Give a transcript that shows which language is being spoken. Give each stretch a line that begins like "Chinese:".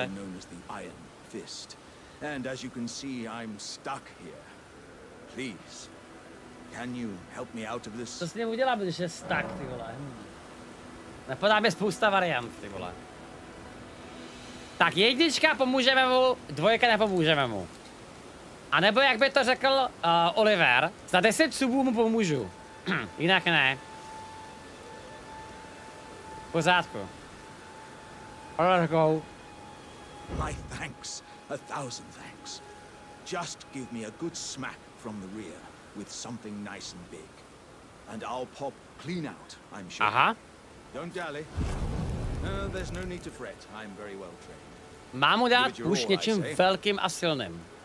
English: Also known as the Iron Fist. And as you can see, I'm stuck here. Please, can you help me out of this?
Czech: Co s ním udělám, když je stuck, ty vole? Napadá mi spousta variant, ty vole. Tak jednička pomůžeme mu, dvojka nepomůžeme mu. A nebo jak by to řekl Oliver, za 10 subů mu pomůžu. Jinak ne. V pořádku.
English: Let's go. My thanks, a thousand thanks. Just give me a good smack from the rear with something nice and big. And I'll pop clean out, I'm sure. Aha. Don't dally. There's no need to fret. I'm very well trained.
Czech: Mám mu dát už něčím velkým a silným.